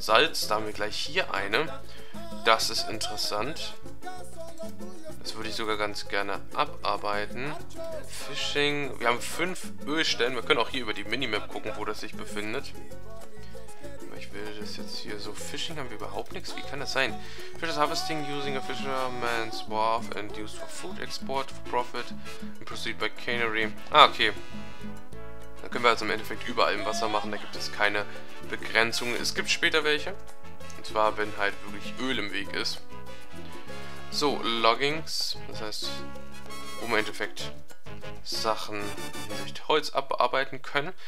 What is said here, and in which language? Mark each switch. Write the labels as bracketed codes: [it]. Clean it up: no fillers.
[de] Salz, da haben wir gleich hier eine. Das ist interessant. Das würde ich sogar ganz gerne abarbeiten. Fishing, wir haben 5 Ölstellen. Wir können auch hier über die Minimap gucken, wo das sich befindet. Ich will das jetzt hier so. Fishing haben wir überhaupt nichts. Wie kann das sein? [en] Fishers harvesting using a fisherman's wharf and used for food export for profit and proceed by canary. [de] Ah, okay. Dann können wir also im Endeffekt überall im Wasser machen. Da gibt es keine Begrenzungen. Es gibt später welche. Und zwar, wenn halt wirklich Öl im Weg ist. So, Loggings, das heißt, wo man im Endeffekt Sachen mit Holz abarbeiten können.